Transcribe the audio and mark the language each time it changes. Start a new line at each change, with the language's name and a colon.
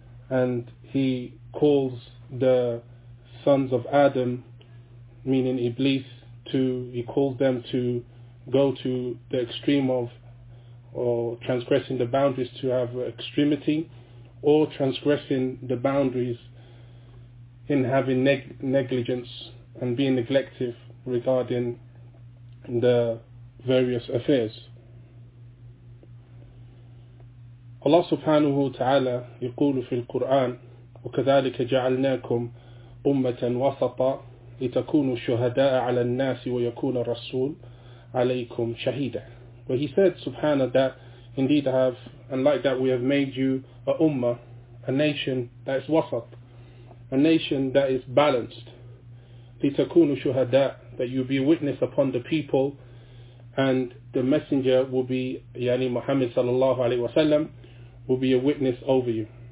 English: And he calls the sons of Adam, meaning Iblis, he calls them to go to the extreme of or transgressing the boundaries, to have extremity, or transgressing the boundaries in having negligence and being neglective regarding the various affairs.
Arabic: Allah subhanahu wa ta'ala yaqulu fil Quran وَكَذَلِكَ جَعَلْنَاكُمْ أُمَّةً وَسَطًا لِتَكُونُوا شُهَدَاءَ عَلَى النَّاسِ وَيَكُونَ الرَّسُولُ عَلَيْكُمْ شَهِيدًا.
English: Where he said, subhanahu, that indeed I have, and like that we have made you a ummah, a nation that is wasat, a nation that is balanced.
Arabic: لِتَكُونُوا شُهَدَاءَ,
English: that you be a witness upon the people, and the messenger will be, yani Muhammad sallallahu alayhi wa sallam, will be a witness over you.